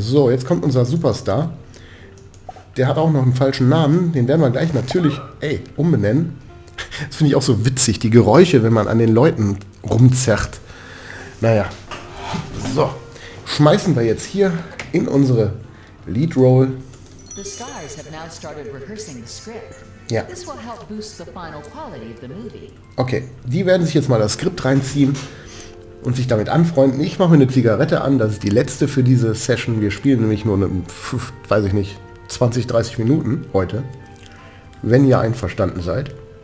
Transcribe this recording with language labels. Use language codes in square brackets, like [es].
[de] So, jetzt kommt unser Superstar. Der hat auch noch einen falschen Namen. Den werden wir gleich natürlich, umbenennen. Das finde ich auch so witzig, die Geräusche, wenn man an den Leuten rumzerrt. Naja, so. Schmeißen wir jetzt hier in unsere Lead Role. [en] The stars have now started rehearsing the script. Ja. This will help boost the final quality of the movie. [de] Okay, die werden sich jetzt mal das Skript reinziehen und sich damit anfreunden. Ich mache mir eine Zigarette an, das ist die letzte für diese Session. Wir spielen nämlich nur, weiß ich nicht, 20, 30 Minuten heute, wenn ihr einverstanden seid.